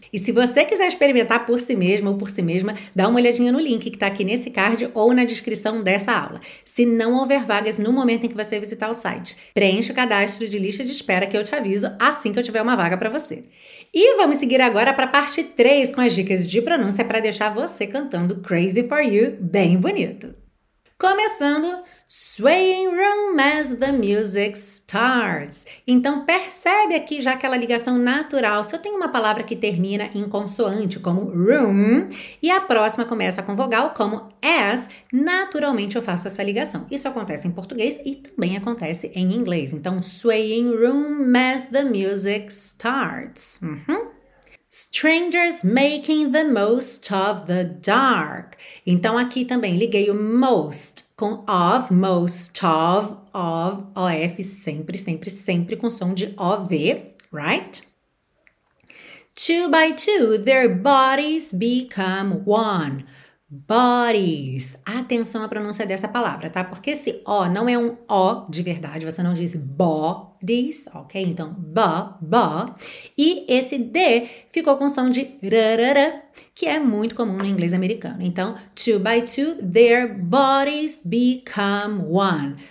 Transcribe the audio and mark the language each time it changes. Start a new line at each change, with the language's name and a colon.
Portuguese: E se você quiser experimentar por si mesmo ou por si mesma, dá uma olhadinha no link que está aqui nesse card ou na descrição dessa aula. Se não houver vagas no momento em que você visitar o site, preencha o cadastro de lista de espera que eu te aviso assim que eu tiver uma vaga para você. E vamos seguir agora para a parte 3 com as dicas de pronúncia para deixar você cantando Crazy for You bem bonito.
English: Começando, Swaying Room as the Music Starts.
Portuguese: Então percebe aqui já aquela ligação natural. Se eu tenho uma palavra que termina em consoante, como room, e a próxima começa com vogal, como as, naturalmente eu faço essa ligação. Isso acontece em português e também acontece em inglês.
English: Então, Swaying Room as the Music Starts. Strangers making the most of the dark.
Portuguese: Então aqui também liguei o most com of, most of, of, sempre, sempre, sempre com som de OV, right?
English: Two by two, their bodies become one. Bodies.
Portuguese: Atenção à pronúncia dessa palavra, tá? Porque esse O não é um O de verdade, você não diz bodies, ok? Então, b. E esse D ficou com som de rarara, que é muito comum no inglês americano.
English: Então, two by two, their bodies become one.